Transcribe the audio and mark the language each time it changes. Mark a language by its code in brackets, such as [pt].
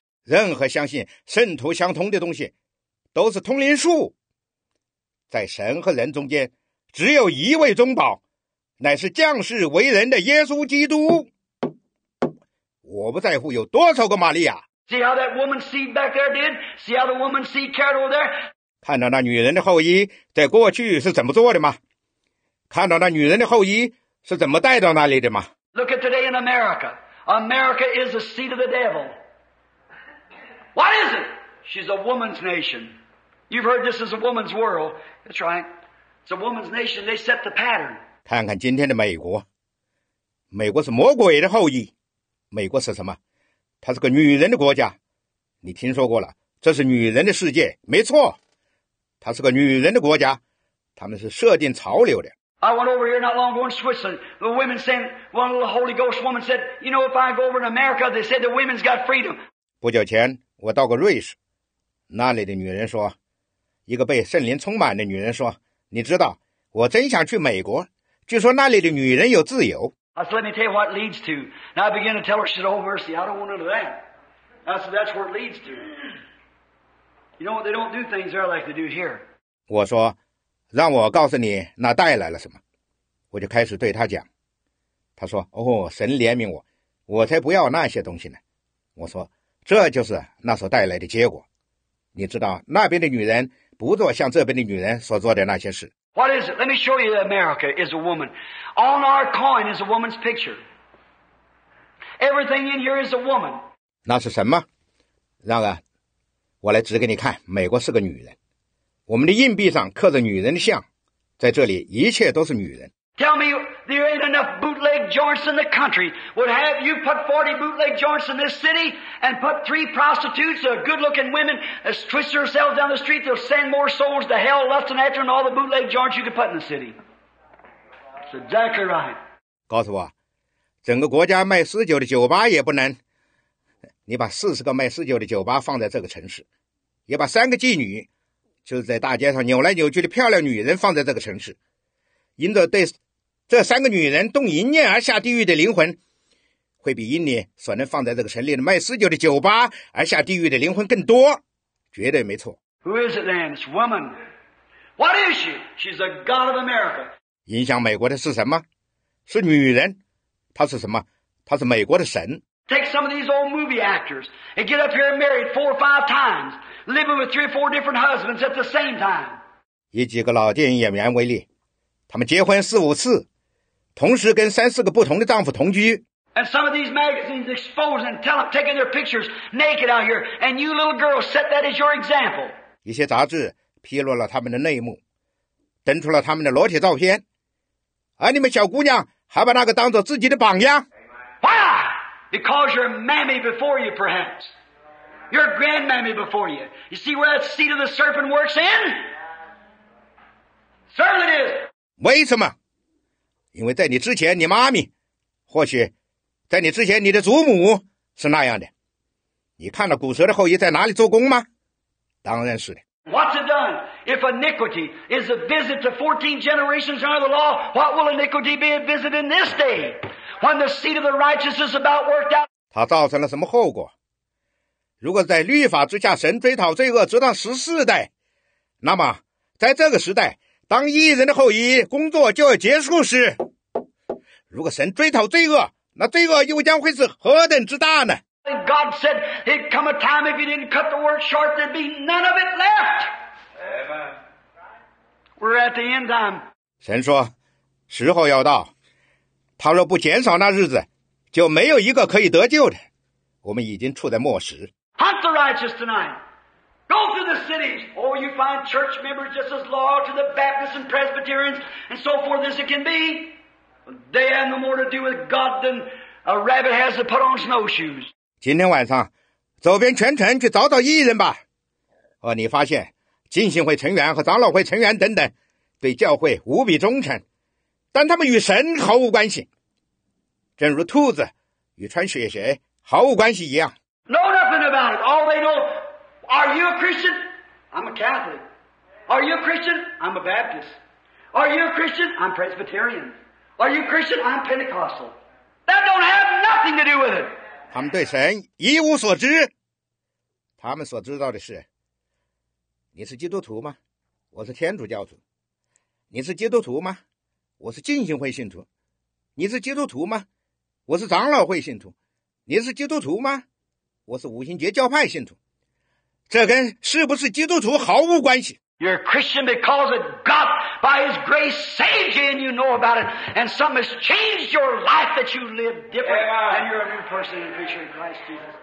[zh] 任何相信圣徒相通的东西都是通灵术，在神和人中间只有一位宗保，乃是降世为人的耶稣基督。我不在乎有多少个玛利亚。 [en] See how that woman seed back there did? See how the woman seed carried over there? [zh] 看到那女人的后裔在过去是怎么做的吗？看到那女人的后裔是怎么带到那里的吗？ [en] Look at today in America. America is the seed of the devil. What is it? She's a woman's nation. You've heard this is a woman's world. That's right. It's a woman's nation. They set the pattern. [zh] 看看今天的美国，美国是魔鬼的后裔。美国是什么？它是个女人的国家，你听说过了，这是女人的世界，没错，它是个女人的国家，他们是设定潮流的。 [en] I went over here not long ago in Switzerland. The women said, one little Holy Ghost woman said, you know, if I go over in America, they said the women's got freedom. [zh] 不久前，我到过瑞士，那里的女人说，一个被圣灵充满的女人说，你知道，我真想去美国，据说那里的女人有自由。 [en] I said, let me tell you what it leads to. And I began to tell her, she said, oh mercy, I don't want none of that. I said, that's where it leads to. You know what, they don't do things there like they do here. [zh] 我说，让我告诉你那带来了什么。我就开始对她讲。她说，哦，神怜悯我，我才不要那些东西呢。我说，这就是那所带来的结果。你知道，那边的女人不做像这边的女人所做的那些事。 [en] What is it? Let me show you that America is a woman. On our coin is a woman's picture. Everything in here is a woman. [zh] 那是什么？让我来指给你看，美国是个女人。我们的硬币上刻着女人的像，在这里一切都是女人。 [en] Tell me there ain't enough bootleg joints in the country. Would have you put 40 bootleg joints in this city and put 3 prostitutes, good-looking women, as twist yourselves down the street, they'll send more souls to hell, lusting after, and all the bootleg joints you could put in the city. That's exactly right. [zh] 告诉我，整个国家卖私酒的酒吧也不能。你把40个卖私酒的酒吧放在这个城市，也把3个妓女，就是在大街上扭来扭去的漂亮女人放在这个城市。因着对这三个女人动一念而下地狱的灵魂，会比因你所能放在这个城里的卖私酒的酒吧而下地狱的灵魂更多，绝对没错。 [en] Who is it then? It's woman. What is she? She's a god of America. [zh] 影响美国的是什么？是女人。她是什么？她是美国的神。 [en] Take some of these old movie actors and get up here and married 4 or 5 times, living with 3 or 4 different husbands at the same time. [zh] 以几个老电影演员为例。他们结婚4、5次，同时跟3、4个不同的丈夫同居。 [en] And some of these magazines expose and tell them taking their pictures naked out here, and you little girls set that as your example. [zh] 一些杂志披露了他们的内幕，登出了他们的裸体照片，而你们小姑娘还把那个当作自己的榜样。 [en] Why? Because your mammy before you, perhaps. Your grandmammy before you. You see where that seed of the serpent works in? Certainly is. [zh] 为什么？因为在你之前，你妈咪，或许在你之前，你的祖母是那样的。你看到骨折的后裔在哪里做工吗？当然是的。 [en] What's it done? If iniquity is a visit to 14 generations under the law, what will iniquity be a visit in this day when the seed of the righteous is about worked out? [zh] 它造成了什么后果？如果在律法之下，神追讨罪恶直到14代，那么在这个时代。当义人的后裔工作就要结束时，如果神追讨罪恶，那罪恶又将会是何等之大呢？ [en] God said, "It'd come a time if you didn't cut the work short, there'd be none of it left." Amen. We're at the end time. [zh] 神说，时候要到，他若不减少那日子，就没有一个可以得救的。我们已经处在末时。 [en] Hunt the righteous tonight. Go to the cities. Oh, you find church members just as loyal to the Baptists and Presbyterians and so forth as it can be. They have no more to do with God than a rabbit has to put on snowshoes. [zh] 今天晚上，走遍全城去找找异人吧。你发现浸信会成员和长老会成员等等，对教会无比忠诚，但他们与神毫无关系，正如兔子与穿雪鞋毫无关系一样。 [en] Know nothing about it. All they know. Are you a Christian? I'm a Catholic. Are you a Christian? I'm a Baptist. Are you a Christian? I'm Presbyterian. Are you a Christian? I'm Pentecostal. That don't have nothing to do with it. [zh] 他们对神一无所知。他们所知道的是，你是基督徒吗？我是天主教徒。你是基督徒吗？我是浸信会信徒。你是基督徒吗？我是长老会信徒。你是基督徒吗？我是五旬节教派信徒。这跟是不是基督徒毫无关系。 [en] You're a Christian because of God by His grace saved you and you know about it, and something has changed your life that you live different, and you're a new person in Christ Jesus.